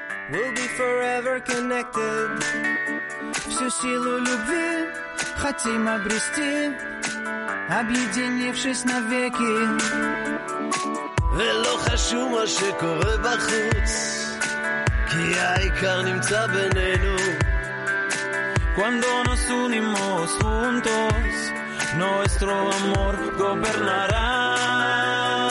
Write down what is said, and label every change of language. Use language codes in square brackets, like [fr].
[en] We'll be forever connected. [ru] Всю силу любви хотим обрести, объединившись навеки. [he] ולא חשוב מה שקורה בחוץ, כי העיקר נמצא בינינו. [es] Cuando nos unimos juntos, nuestro amor gobernará.